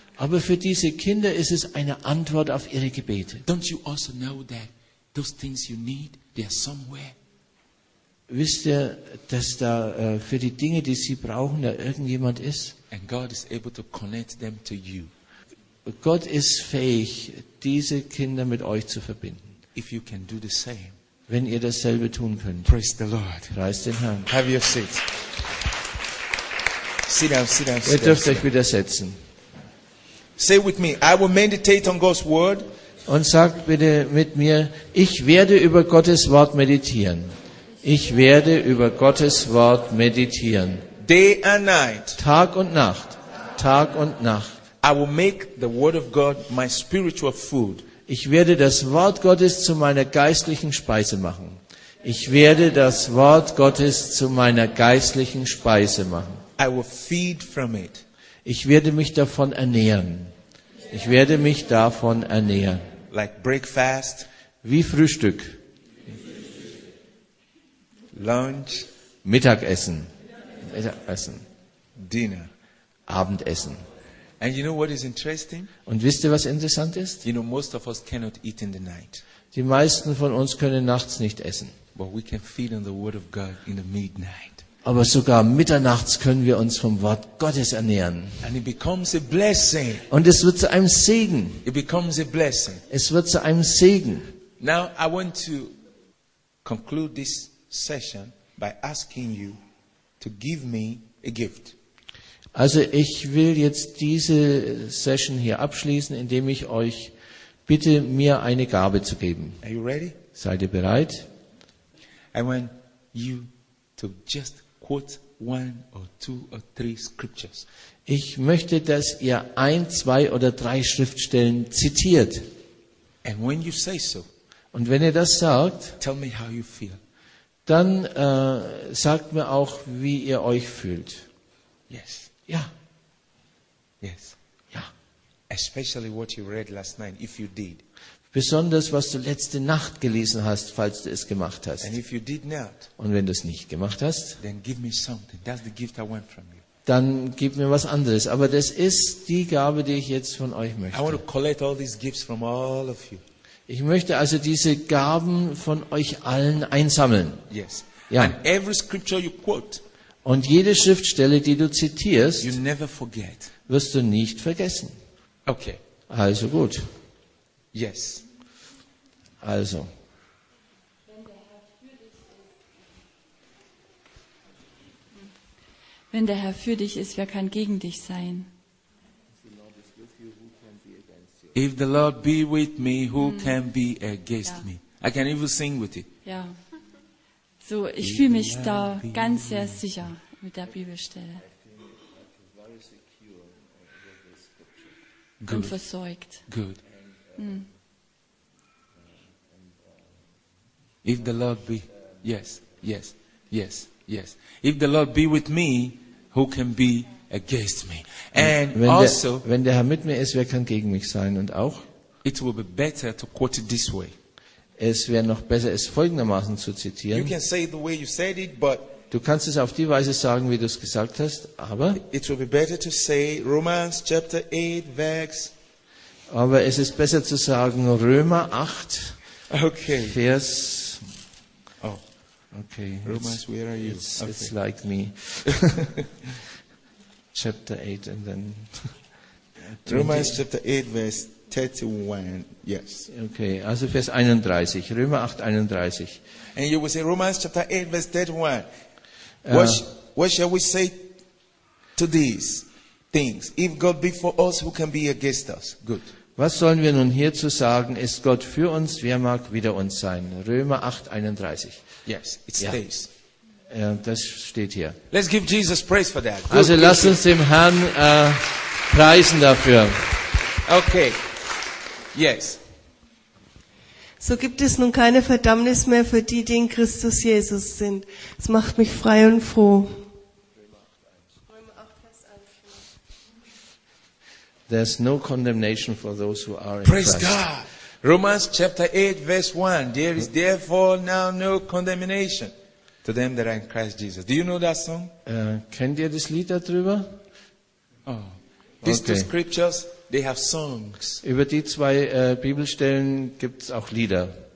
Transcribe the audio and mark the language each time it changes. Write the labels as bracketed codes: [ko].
[de] Aber für diese Kinder ist es eine Antwort auf ihre Gebete. [en] Don't you also know that those things you need, they are somewhere? [de] Wisst ihr, dass da für die Dinge, die sie brauchen, da irgendjemand ist? [en] And God is able to connect them to you. [de] Gott ist fähig, diese Kinder mit euch zu verbinden. [en] If you can do the same, [de] wenn ihr dasselbe tun könnt. [en] Praise the Lord. [de] Preist den Herrn. [en] Have your seat. Sit down, sit down. [de] Ihr dürft euch wieder setzen. [en] Say with me, I will meditate on God's word. [de] Und sagt bitte mit mir, ich werde über Gottes Wort meditieren. Ich werde über Gottes Wort meditieren. [en] Day and night. [de] Tag und Nacht. Tag und Nacht. [en] I will make the word of God my spiritual food. [de] Ich werde das Wort Gottes zu meiner geistlichen Speise machen. Ich werde das Wort Gottes zu meiner geistlichen Speise machen. [en] I will feed from it. [de] Ich werde mich davon ernähren. Ich werde mich davon ernähren. [en] Like breakfast. [de] Wie Frühstück. [en] Lunch. [de] Mittagessen. Mittagessen. Dinner. Abendessen. [en] And you know what is interesting? [de] Und wisst ihr, was interessant ist? [en] You know, most of us cannot eat in the night. [de] Die meisten von uns können nachts nicht essen. [en] But we can feed on the word of God in the midnight. [de] Aber sogar mitternachts können wir uns vom Wort Gottes ernähren. [en] And it becomes a blessing. [de] Und es wird zu einem Segen. [en] It becomes a blessing. [de] Es wird zu einem Segen. [en] Now I want to conclude this session by asking you to give me a gift. [de] Also ich will jetzt diese Session hier abschließen, indem ich euch bitte, mir eine Gabe zu geben. [en] Are you ready? [de] Seid ihr bereit? [en] I want you to just quote one or two or three scriptures. [de] Ich möchte, dass ihr ein, zwei oder drei Schriftstellen zitiert. [en] And when you say so, [de] und wenn ihr das sagt, [en] tell me how you feel. [de] Dann sagt mir auch, wie ihr euch fühlt. [en] Yes. [de] Ja. [en] Yes. [de] Ja. [en] Especially what you read last night, if you did. [de] Besonders was du letzte Nacht gelesen hast, falls du es gemacht hast. [en] And if you did not, [de] und wenn du es nicht gemacht hast, [en] then give me something. That's the gift I want from you. [de] Dann gib mir was anderes. Aber das ist die Gabe, die ich jetzt von euch möchte. [en] I want to collect all these gifts from all of you. [de] Ich möchte also diese Gaben von euch allen einsammeln. [en] Yes. [de] Ja. [en] And every scripture you quote. [de] Und jede Schriftstelle, die du zitierst, [en] you never forget. [de] Wirst du nicht vergessen. [en] Okay. [de] Also gut. [en] Yes. [de] Also. Wenn der Herr für dich ist, wer kann gegen dich sein? [en] If the Lord be with me, who can be against me? I can even sing with it. [de] Ja. So, ich fühle mich da ganz sehr sicher mit der Bibelstelle. [en] Good. [de] Und versorgt. [en] Good. If the Lord be, yes, yes, yes, yes. If the Lord be with me, who can be against me? [de] And wenn der, also, wenn der Herr mit mir ist, wer kann gegen mich sein? Und auch, [en] it will be better to quote it this way. [de] Es wäre noch besser, es folgendermaßen zu zitieren. [en] You can say it the way you said it, but [de] Du kannst es auf die Weise sagen, wie du es gesagt hast, aber [en] it will be better to say Romans chapter 8 verse. [de] Aber es ist besser zu sagen Römer 8. [en] Okay. [de] Vers. Oh. [en] Okay. Romans, it's, where are you? It's, okay. It's like me. Chapter 8 and then Romans chapter 8 verse 31. Yes. [de] Okay, also Vers 31. Römer 8, 31. [en] And you will say Romans chapter 8 verse 31. What shall we say to these things? If God be for us, who can be against us? Good. [de] Was sollen wir nun hierzu sagen? Ist Gott für uns, wer mag wider uns sein? Römer 8, 31. [en] Yes, it stays. [de] Ja, das steht hier. [en] Let's give Jesus praise for that. Good. [de] Also lasst uns dem Herrn preisen dafür. [en] Okay. Yes. [de] So gibt es nun keine Verdammnis mehr für die, die in Christus Jesus sind. Es macht mich frei und froh. [en] There's no condemnation for those who are in Praise Christ. Praise God. Romans chapter 8 verse 1. There is therefore now no condemnation to them that are in Christ Jesus. Do you know that song? [de] Kennt ihr das Lied darüber? Oh. [en] These two scriptures, they have songs. [de] Über die zwei Bibelstellen gibt es auch Lieder.